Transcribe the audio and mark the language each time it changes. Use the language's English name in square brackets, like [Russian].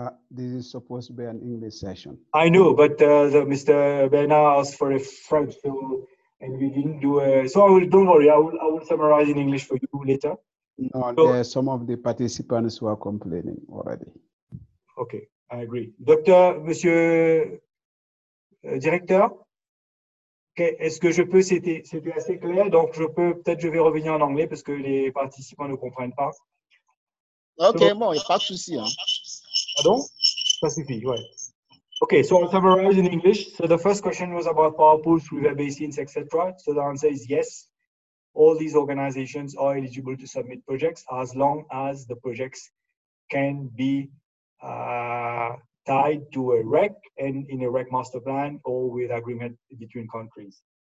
[English] This is supposed to be an English session. I know, but Mr. Bernard asked for a French, so, and we didn't do a... So I will, don't worry, I will summarize in English for you later. No, there are some of the participants who are complaining already. Okay, I agree. [French] Docteur, monsieur directeur, est-ce que je peux, c'était assez clair, donc je vais revenir en anglais parce que les participants ne comprennent pas. Okay, bon, il n'y a pas de souci. Hein. Pardon? Ça suffit, oui. [English] Okay, so I'll summarize in English. So the first question was about power pools, river basins, etc. So the answer is yes. All these organizations are eligible to submit projects as long as the projects can be tied to a REC and in a REC master plan or with agreement between countries.